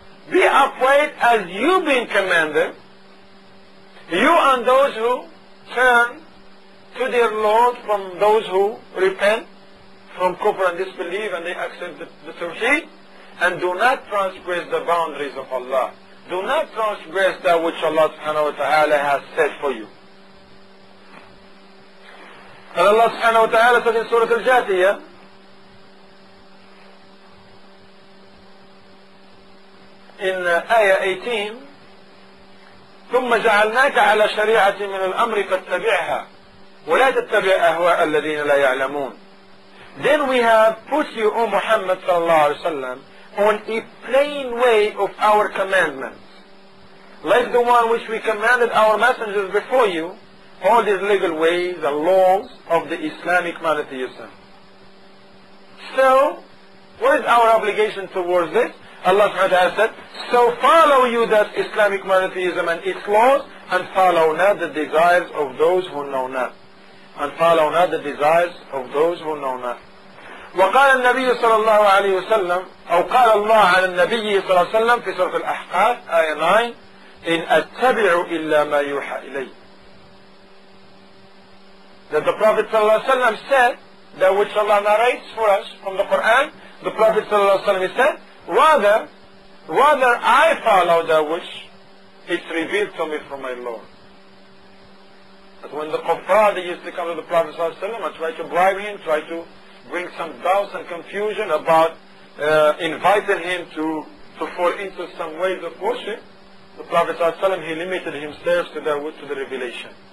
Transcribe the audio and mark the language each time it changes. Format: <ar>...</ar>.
<en>Be upright as you've been commanded. You and those who turn to their Lord from those who repent from kufr and disbelief and they accept the tawheed and do not transgress the boundaries of Allah. Do not transgress that which Allah subhanahu wa ta'ala has set for you. And Allah subhanahu wa ta'ala said in Surah Al-Jathiyah, in Ayah 18,</en> <ar>ثم جعلناك على شريعة من الأمر فاتبعها ولا تتبع أهواء الذين لا يعلمون.</ar> <en>Then we have put you, O Muhammad sallallahu alaihi wasallam, on a plain way of our commandments, like the one which we commanded our messengers before you, all these legal ways and laws of the Islamic monotheism. So, what is our obligation towards this? Allah subhanahu wa ta'ala said, so follow you that Islamic monotheism and its laws, and follow not the desires of those who know not. And follow not the desires of those who know not.</en> <ar>وقال النبي صلى الله عليه وسلم, أو قال الله على النبي صلى الله عليه وسلم في سورة الأحقاف, آية 9, إن أتبع إلا ما يوحى إلي.</ar> <en>That the Prophet صلى الله عليه وسلم said, that which Allah narrates for us from the Quran, the Prophet صلى الله عليه وسلم said, Rather I follow that which is revealed to me from my Lord. But when the kuffar, they used to come to the Prophet Sallallahu Alaihi Wasallam and try to bribe him, try to bring some doubts and confusion about inviting him to fall into some ways of worship, the Prophet Sallallahu Alaihi Wasallam, he limited himself to that which to the revelation.</en>